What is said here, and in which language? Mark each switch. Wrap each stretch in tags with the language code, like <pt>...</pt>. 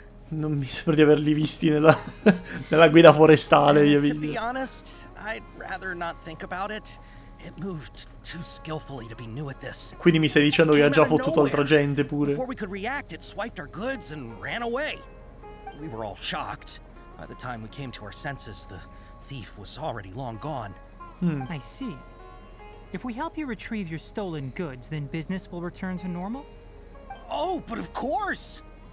<it>Non mi sembra di averli visti nella nella guida forestale, io vi.</it> <en>To be honest, I'd rather not think about it. It moved too skillfully to be new at this.</en> <it>Quindi mi stai dicendo che ha già fottuto altra gente pure.</it> <en>Before we could react, it swiped our goods and ran away. We were all shocked. By the time we came to our senses, the thief was already long gone. I see. If we help you retrieve your stolen goods, then business will return to normal? Oh, but of course!</en>